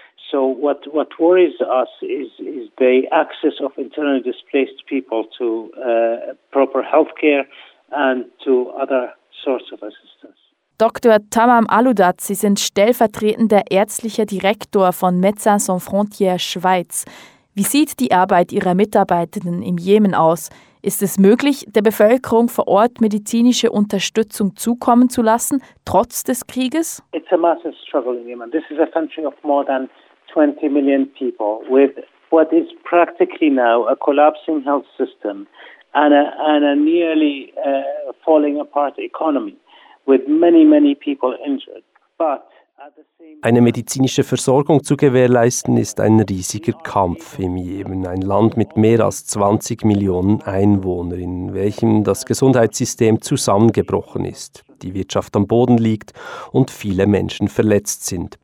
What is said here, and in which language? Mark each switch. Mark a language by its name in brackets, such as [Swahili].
[English] So what worries us is the access of internally displaced people to proper healthcare and to other sorts of assistance. [German] Dr. Tamam Aludat, Sie sind stellvertretender ärztlicher Direktor von Médecins Sans Frontières Schweiz. Wie sieht die Arbeit Ihrer Mitarbeitenden im Jemen aus? Ist es möglich, der Bevölkerung vor Ort medizinische Unterstützung zukommen zu lassen, trotz des Krieges? [English] It's a massive struggle in Yemen. This is a country of more than 20 million people with what is practically now a collapsing health system and a nearly falling apart economy with many, many people injured. But [German] eine medizinische Versorgung zu gewährleisten, ist ein riesiger Kampf im Jemen, ein Land mit mehr als 20 Millionen Einwohnern, in welchem das Gesundheitssystem zusammengebrochen ist, die Wirtschaft am Boden liegt und viele Menschen verletzt sind.